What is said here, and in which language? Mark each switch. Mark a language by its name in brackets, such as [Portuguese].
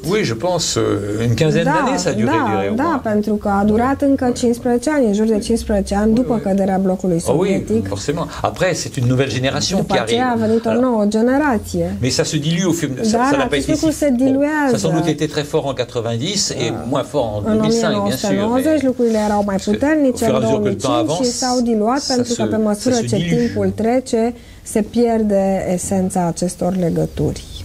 [French] Oui, je pense une quinzaine d'années, ça a duré. [Romanian] Pentru că a durat încă 15 ani, în jur de 15 ani, după căderea blocului sovietic. [French] Oui, forcément. Après, c'est une nouvelle génération qui arrive. [Romanian] După a venit o nouă generație. [French] Mais ça se dilue au film. Ça sans doute était très fort en 90 et moins fort en 2005, bien sûr. [Romanian] În 1990, lucrurile erau mai puternice, în 2005 și s-au diluat, pentru că pe măsură ce timpul trece, se pierde esența acestor legături.